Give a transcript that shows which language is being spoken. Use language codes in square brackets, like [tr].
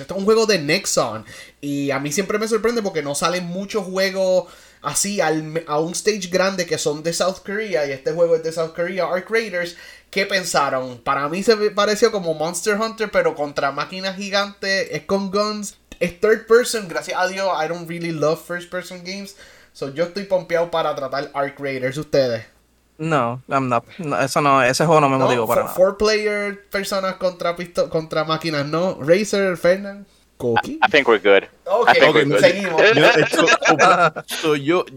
[es] Este es un juego de Nexon. Y a mí siempre me sorprende porque no salen muchos juegos así a un stage grande que son de South Korea. Y este juego es de South Korea, Ark Raiders. ¿Qué pensaron? Para mí se pareció como Monster Hunter, pero contra máquinas gigantes, es con guns, es third person. Gracias a Dios, [en] I don't really love first person games. [es] So yo estoy pompeado para tratar Ark Raiders, ustedes. [en] No, I'm not. [es] No, eso no, ese juego no me motivó para nada. [en] Four player [es] personas contra máquinas, ¿no? Razer, Fernan, Koki. [en] I think we're good. [es] Okay, seguimos.